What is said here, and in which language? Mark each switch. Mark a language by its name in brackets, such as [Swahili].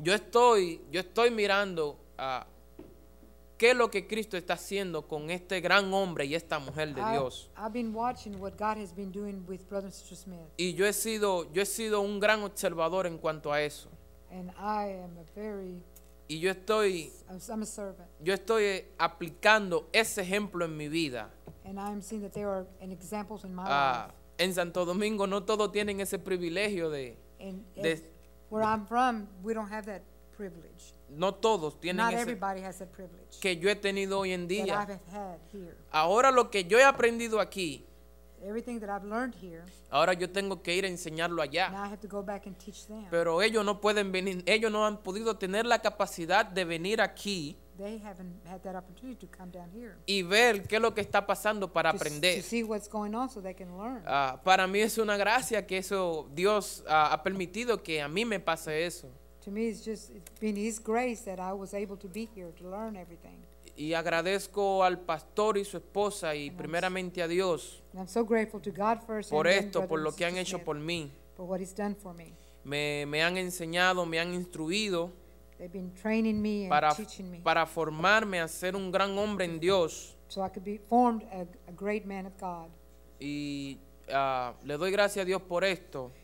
[Spanish] Yo estoy mirando qué es lo que Cristo está haciendo con este gran hombre y esta mujer de Dios. [English] I've been watching what God has been doing with Brother and Sister Smith. [Spanish] Y yo he sido un gran observador en cuanto a eso. [English] And I am a very [Spanish] y yo estoy [English] I'm a servant. [Spanish] Yo estoy aplicando ese ejemplo en mi vida. [English] And I'm seeing that there are an examples in my life. [Spanish] En Santo Domingo no todos tienen ese privilegio de [English] where I'm from, we don't have that privilege. [Spanish] No todos tienen [English] not [Spanish] ese [English] everybody has that privilege [Spanish] que yo he tenido hoy en día. [English] That I've had here. [Spanish] Ahora lo que yo he aprendido aquí, [English] everything that I've learned here, [Spanish] ahora yo tengo que ir a enseñarlo allá. [English] Now I have to go back and teach them. [Spanish] Pero ellos no pueden venir, ellos no han podido tener la capacidad de venir aquí. [English] They haven't had that opportunity to come down here. [Spanish] Y ver qué es lo que está pasando para [English] to [Spanish] aprender. [English] To see what's going on so they can learn. [Spanish] Para mí es una gracia que eso Dios ha permitido que a mí me pase eso. [English] To me it's been his grace that I was able to be here to learn everything. [Spanish] Y agradezco al pastor y su esposa y [English] and [Spanish] primeramente a Dios. [English] I'm so grateful to God first [Spanish] por [English] and [Spanish] esto, por lo que han hecho por mí. [English] For what he's done for me. [Spanish] Me han enseñado, me han instruido. [English] They've been training me and [Spanish] para, [English] teaching me. [Spanish] Para formarme a ser un gran hombre en Dios. [English] So I could be formed a great man of God. [Spanish] Y le doy gracias a Dios por esto.